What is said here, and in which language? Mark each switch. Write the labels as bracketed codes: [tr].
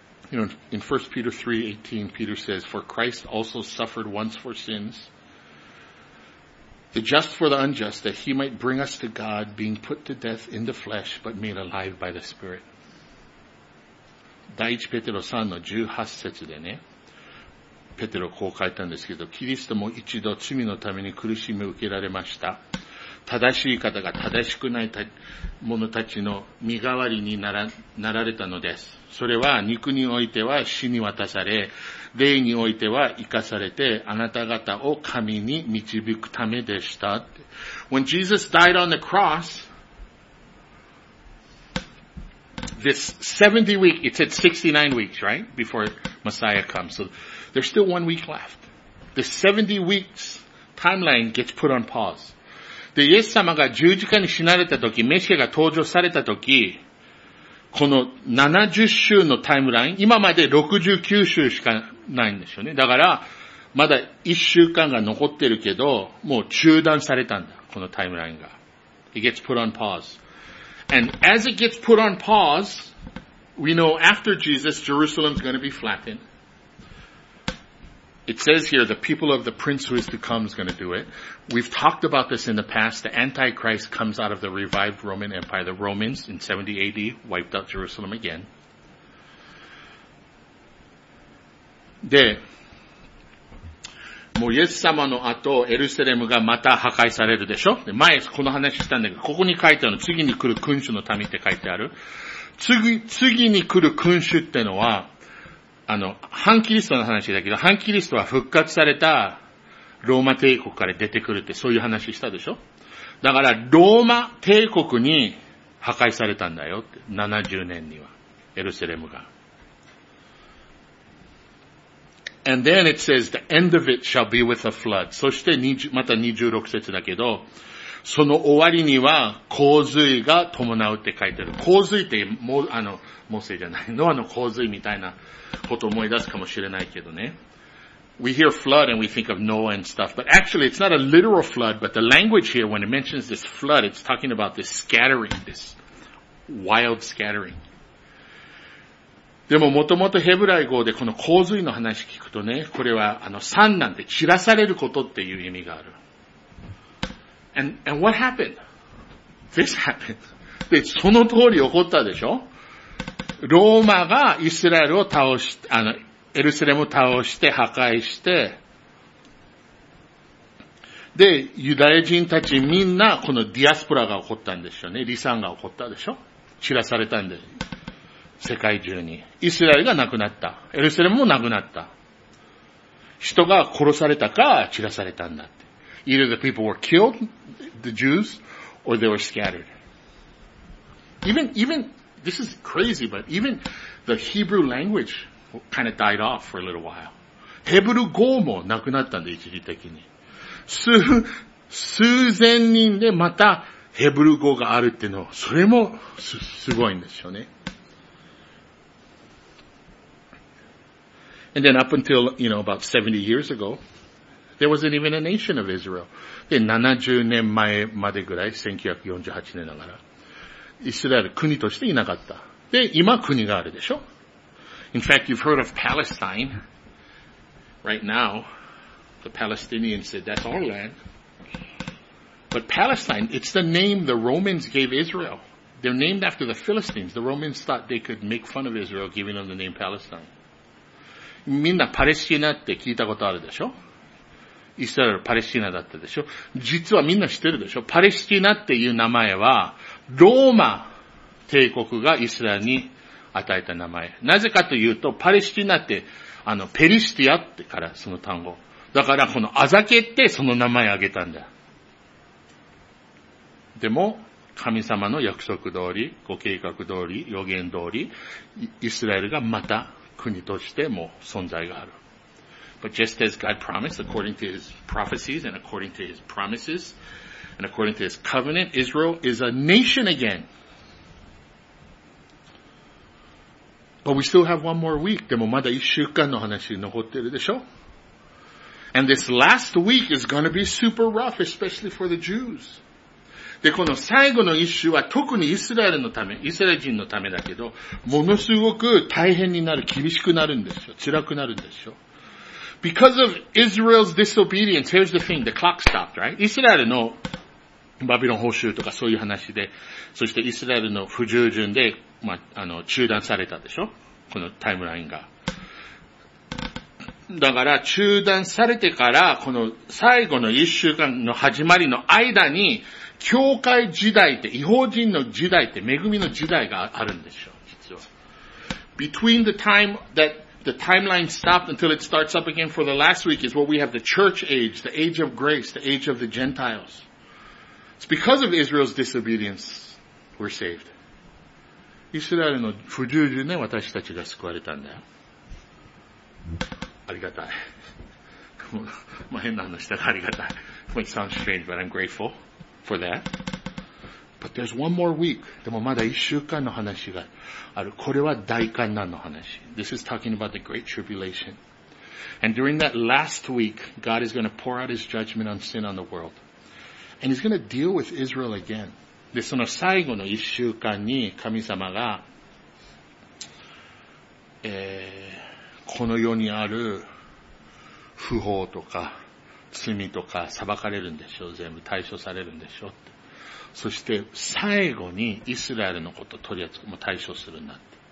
[en] You know, in 1 Peter 3:18, Peter says, For Christ also suffered once for sins, the just for the unjust, that he might bring us to God, being put to death in the flesh, but made alive by the Spirit. [ja] 第1ペテロ3の18節でね、ペテロこう書いたんですけど、キリストも一度罪のために苦しみを受けられました。正しい方が正しくない者たちの身代わりになられたのです。それは肉においては死に渡され、霊においては生かされて、あなた方を神に導くためでした。 [en] When Jesus died on the cross, this 70 week, it said 69 weeks, right? Before Messiah comes. So there's still one week left. The 70 weeks timeline gets put on pause. [ja] で、イエス様が十字架に死なれたとき、メシアが登場されたとき、この70週のタイムライン、今まで69週しかないんですよね。だから、まだ1週間が残ってるけど、もう中断されたんだ、このタイムラインが。 [en] It gets put on pause. And as it gets put on pause, we know after Jesus, Jerusalem's gonna be flattened. It says here, the people of the prince who is to come is going to do it. We've talked about this in the past. The Antichrist comes out of the revived Roman Empire. The Romans in 70 AD wiped out Jerusalem again. [ja] で、もうイエス様の後、エルサレムがまた破壊されるでしょ？で、前この話したんだけど、ここに書いてあるの、次に来る君主の民って書いてある。次に来る君主ってのは、反キリストの話だけど、反キリストは復活されたローマ帝国から出てくるってそういう話したでしょ？だから、ローマ帝国に破壊されたんだよって、70年には、エルサレムが。 [en] And then it says, the end of it shall be with a flood. [ja] そして、また26節だけど、その終わりには洪水が伴うって書いてある。洪水って、モーセじゃない。ノアの洪水みたいなことを思い出すかもしれないけどね。 [en] We hear flood and we think of Noah and stuff, but actually it's not a literal flood, but the language here, when it mentions this flood, it's talking about this scattering, this wild scattering. [ja] でももともとヘブライ語でこの洪水の話聞くとね、これは散なんて散らされることっていう意味がある。 [en] And what happened? This happened. [ja] で、その通り起こったでしょ？ローマがイスラエルを倒し、エルサレムを倒して破壊して、で、ユダヤ人たちみんなこのディアスポラが起こったんですよね。離散が起こったでしょ？散らされたんで、世界中に。イスラエルがなくなった。エルサレムもなくなった。人が殺されたか散らされたんだって。 [en] Either the people were killed, the Jews, or they were scattered. Even, this is crazy, but even the Hebrew language kind of died off for a little while. [ja] ヘブル語もなくなったんで、一時的に。数千人でまたヘブル語があるっていうのは、それもすごいんですよね。 [en] And then up until, you know, about 70 years ago, there wasn't even a nation of Israel. [ja] で、70年前までぐらい、1948年ながら、イスラエル国としていなかった。で、今国があるでしょ。 [en] In fact, you've heard of Palestine. Right now, the Palestinians said, that's our land. But Palestine, it's the name the Romans gave Israel. They're named after the Philistines. The Romans thought they could make fun of Israel, giving them the name Palestine. [ja] みんなパレスチナって聞いたことあるでしょ？イスラエルパレスチナだったでしょ？実はみんな知ってるでしょ？パレスチナっていう名前はローマ帝国がイスラエルに与えた名前。なぜかというとパレスチナってペリシティアってからその単語。だからこのアザケってその名前あげたんだ。でも神様の約束通り、ご計画通り、予言通り、イスラエルがまた国としても存在がある。 [en] But just as God promised, according to His prophecies and according to His promises and according to His covenant, Israel is a nation again. But we still have one more week. [ja] でもまだ一週間の話残ってるでしょ? [en] And this last week is going to be super rough, especially for the Jews. [ja] で、この最後の一週は特にイスラエルのため、イスラエル人のためだけど、ものすごく大変になる、厳しくなるんですよ。辛くなるんですよ。 [en] Because of Israel's disobedience, here's the thing, the clock stopped, right? [ja] イスラエルのバビロン捕囚とかそういう話で、そしてイスラエルの不従順で、まあ、中断されたでしょ？このタイムラインが。だから中断されてから、この最後の一週間の始まりの間に、教会時代って、異邦人の時代って、恵みの時代があるんでしょう、実は。 [en] Between the time that the timeline stopped until it starts up again for the last week is what we have the church age, the age of grace, the age of the Gentiles. It's because of Israel's disobedience we're saved. [ja] イスラエルの不従順で私たちが救われたんだよ。ありがたい。まあ変な話したらありがたい。 [en] It sounds strange, but I'm grateful. For that. But there's one more week. [ja] でもまだ一週間の話がある。これは大患難の話。 [en] This is talking about the great tribulation. And during that last week, God is going to pour out His judgment on sin on the world. And He's going to deal with Israel again. [ja] で、その最後の一週間に神様が、この世にある不法とか、罪とか裁かれるんでしょう、全部対処されるんでしょうって。そして最後にイスラエルのこと取り扱う、もう対処するんだって。